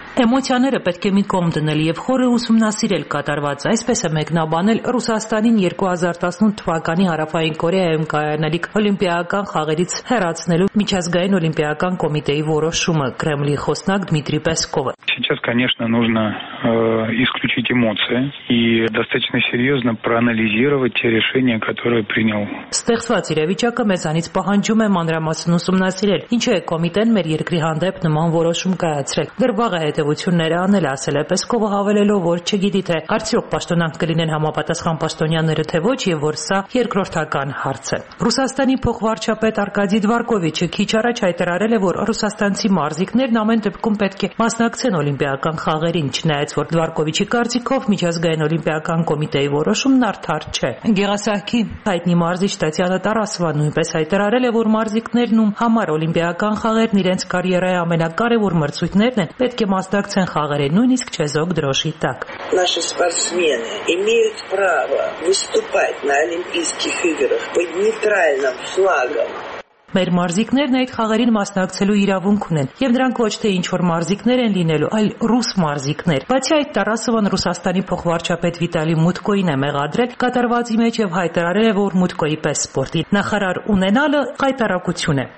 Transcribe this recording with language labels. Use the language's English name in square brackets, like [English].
[Armenian] Էմոցիաները պետք է մի կողմ դնել եւ խորը ուսումնասիրել կատարված, այսպես է մեկնաբանել Ռուսաստանին 2018 թվականի Հարավային Կորեայում կայանալիք օլիմպիական խաղերից հեռացնելու միջազգային օլիմպիական կոմիտեի որոշումը Կրեմլի խոսնակ Դմիտրի Պեսկովը։ [Russian] Сейчас, конечно, нужно исключить эмоции и достаточно серьёзно проанализировать те решения, которые принял. [Armenian] Ստեղծված իրավիճակը մեզանից պահանջում է մանրամասն ուսումնասիրել, ինչու է կոմիտեն մեր երկրի հանդեպ նման որոշում կայացրել։ Դրվագ հետևությունները անել, ասել է Պեսկովը, հավելելով, որ չգիտի թե արդյոք պաշտոնանք կլինեն համապատասխան պաշտոնյաները թե ոչ, եւ որ սա երկրորդական հարց է։ Ռուսաստանի փոխվարչապետ Արկադի Դվարկովիչը քիչ առաջ հայտարարել է, որ ռուսաստանցի մարզիկներն ամեն դեպքում պետք է մասնակցեն օլիմպիական խաղերին, չնայած որ Դվարկովիչի կարծիքով միջազգային օլիմպիական կոմիտեի որոշումն արդար չէ։ Գեղասահքի հայտնի մարզիչ Տատյանա Տարասովան նույնպես հայտարարել է, որ մարզիկներն ու համար օլիմպիական խաղերն իրենց կարիերայի ամենակարևոր մրցույթներն են, պետք է մասնակցեն խաղերը նույնիսկ չեզոք դրոշի տակ։ [Russian] Наши спортсмены имеют право выступать на Олимпийских играх под нейтральным флагом. [Armenian] Մեր մարզիկներն այդ խաղերին մասնակցելու իրավունք ունեն, եւ նրանք ոչ թե ինչ որ մարզիկներ են լինելու, այլ ռուս մարզիկներ։ Բացի այդ, Տարասովան Ռուսաստանի փոխվարչապետ Վիտալի Մուտկոին է մեղադրել կատարվածի մեջ եւ հայտարարել է, որ Մուտկոյի պես սպորտի նախարար ունենալը կայտարակություն է։